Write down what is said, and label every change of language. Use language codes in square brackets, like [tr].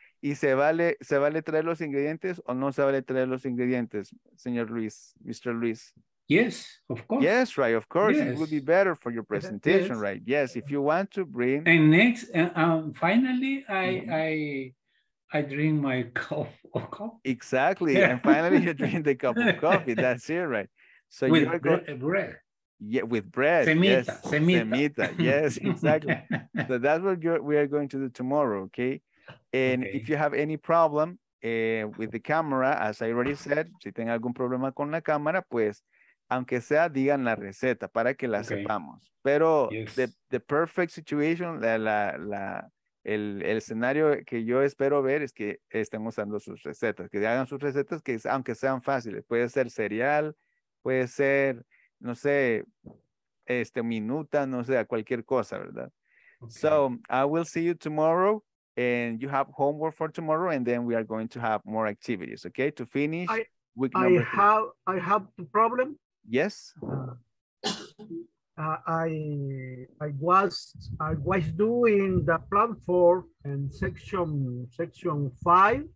[es] ¿Y se vale traer los ingredientes o no se vale traer los ingredientes, señor Luis, Mr. Luis? [en] Yes, of course. Yes, right, of course. Yes. It would be better for your presentation, yes. Right? Yes, if you want to bring. And next, finally, I drink my coffee. Exactly. Yeah. And finally, you drink the cup of coffee. That's it, right? So with bread. Yeah, with bread. [es] Semita. [en] Yes. [es] Semita. [en] Yes, exactly. So that's what we are going to do tomorrow, okay? And okay. If you have any problem with the camera, as I already said, [es] si tienen algún problema con la cámara, pues, aunque sea, digan la receta para que la sepamos. [en] Pero yes. the perfect situation, [es] el escenario que yo espero ver es que estén usando sus recetas, que hagan sus recetas, que aunque sean fáciles, puede ser cereal, puede ser, no sé, minuta, no sé, cualquier cosa, ¿verdad? [en] Okay. So, I will see you tomorrow. And you have homework for tomorrow, and then we are going to have more activities, okay? To finish week number three. I have the problem. Yes. I was doing the plan for in section five.